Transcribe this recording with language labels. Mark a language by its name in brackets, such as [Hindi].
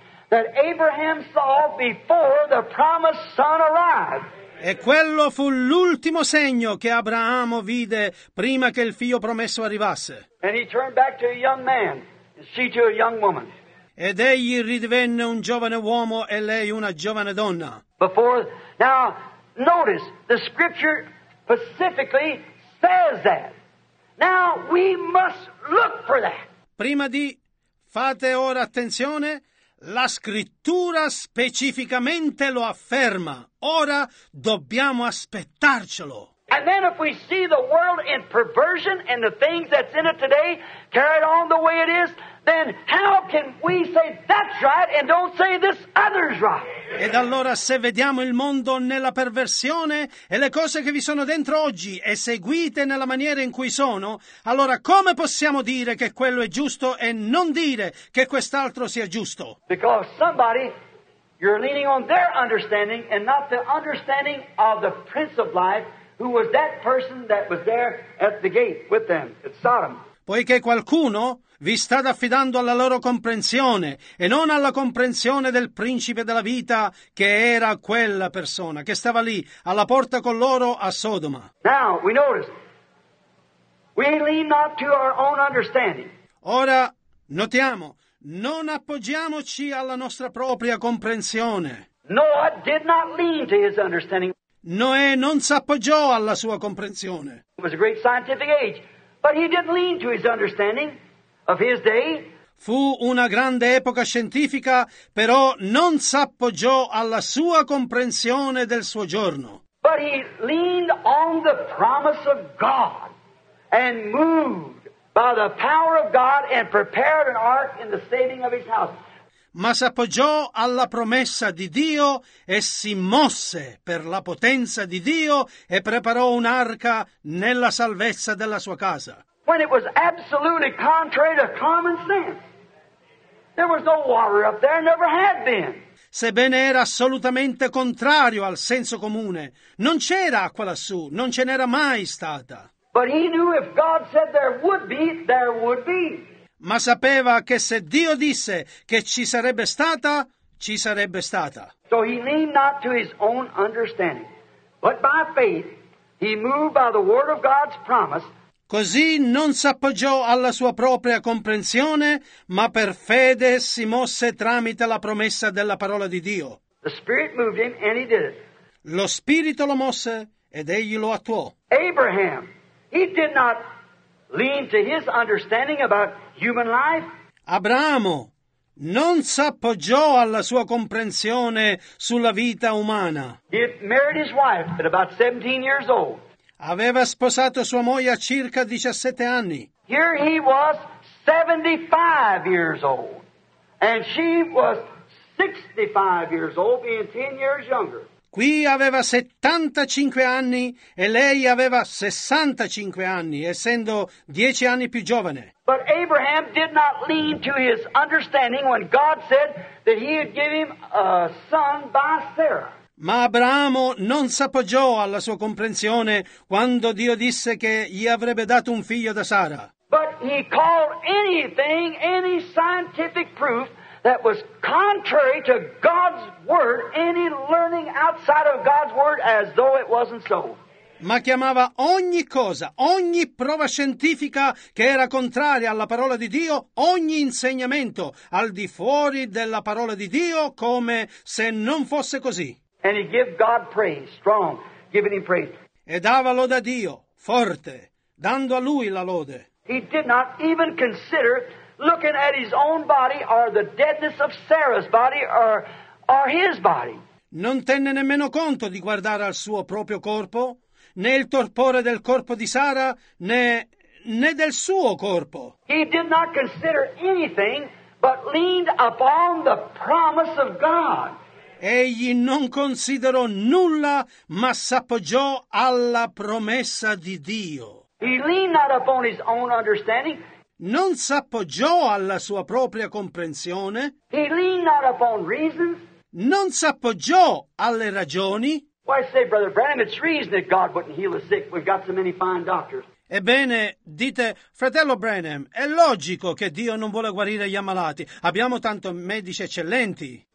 [English] That Abraham saw before the promised son arrived. [Italian] E quello fu l'ultimo segno che Abramo vide prima che il figlio promesso arrivasse. [English] And he turned back to a young man, and she to a young woman. [Italian] Ed egli ridivenne un giovane uomo e lei una giovane donna. [English] Before, now notice the scripture specifically says that. Now we must look for that. [Italian] Prima di Fate ora attenzione, la scrittura specificamente lo afferma. Ora dobbiamo aspettarcelo. [English] And then if we see the world in perversion and the things that's in it today carried on the way it is, then how can we say that's right and don't say this other's right? [Italian] Ed allora se vediamo il mondo nella perversione e le cose che vi sono dentro oggi e seguite nella maniera in cui sono, allora come possiamo dire che quello è giusto e non dire che quest'altro sia giusto? [English] Because somebody, you're leaning on their understanding and not the understanding of the Prince of Life, who was that person that was there at the gate with them, at Sodom. [Italian] Poiché qualcuno vi state affidando alla loro comprensione e non alla comprensione del principe della vita che era quella persona che stava lì alla porta con loro a Sodoma. [English] Now, we notice, we lean not to our own understanding. [Italian] Ora, notiamo, non appoggiamoci alla nostra propria comprensione. [English] Noah did not lean to his understanding. [Italian] Noè non si appoggiò alla sua comprensione. [English] It was a great scientific age, but he didn't lean to his understanding. Of his day. [Italian] Fu una grande epoca scientifica, però non s'appoggiò alla sua comprensione del suo giorno. [English] But he leaned on the promise of God and moved by the power of God and prepared an ark in the saving of his house. [Italian] Ma s'appoggiò alla promessa di Dio e si mosse per la potenza di Dio e preparò un'arca nella salvezza della sua casa. [English] When it was absolutely contrary to common sense. There was no water up there, never had been. [Italian] Sebbene era assolutamente contrario al senso comune, non c'era acqua lassù, non ce n'era mai stata. [English] But he knew if God said there would be, there would be. [Italian] Ma sapeva che se Dio disse che ci sarebbe stata, ci sarebbe stata. [English] So he leaned not to his own understanding, but by faith he moved by the word of God's promise. [Italian] Così non s'appoggiò alla sua propria comprensione, ma per fede si mosse tramite la promessa della parola di Dio. [English] The Spirit moved him and he did it. [Italian] Lo Spirito lo mosse ed egli lo attuò. [English] Abraham, he did not lean to his understanding about human life. [Italian] Abramo non s'appoggiò alla sua comprensione sulla vita umana. [English] He married his wife at about 17 years old. [Italian] Aveva sposato sua moglie a circa 17 anni. [English] Here he was 75 years old. And she was 65 years old, being 10 years younger. [Italian] Qui aveva 75 anni e lei aveva 65 anni, essendo 10 anni più giovane. [English] But Abraham did not lean to his understanding when God said that he would give him a son by Sarah. [Italian] Ma Abramo non s'appoggiò alla sua comprensione quando Dio disse che gli avrebbe dato un figlio da Sara. [English] But he called anything, any scientific proof that was contrary to God's word, any learning outside of God's word, as though it wasn't so. [Italian] Ma chiamava ogni cosa, ogni prova scientifica che era contraria alla parola di Dio, ogni insegnamento al di fuori della parola di Dio, come se non fosse così. [English] And he gave God praise, strong, giving him praise. [Italian] E dava lode a Dio, forte, dando a lui la lode. [English] He did not even consider looking at his own body or the deadness of Sarah's body or his body. [Italian] Non tenne nemmeno conto di guardare al suo proprio corpo, né il torpore del corpo di Sara, né del suo corpo. [English] He did not consider anything but leaned upon the promise of God. [Italian] Egli non considerò nulla, ma s'appoggiò alla promessa di Dio. [English] He leaned not upon his own understanding. [Italian] Non s'appoggiò alla sua propria comprensione. [English] He leaned not upon reason. [Italian] Non s'appoggiò alle ragioni. [English] Why say, Brother Branham, it's reason that God wouldn't heal the sick. We've got so many fine doctors. [Italian] Ebbene, dite, fratello Branham, è logico che Dio non vuole guarire gli ammalati. Abbiamo tanto medici eccellenti.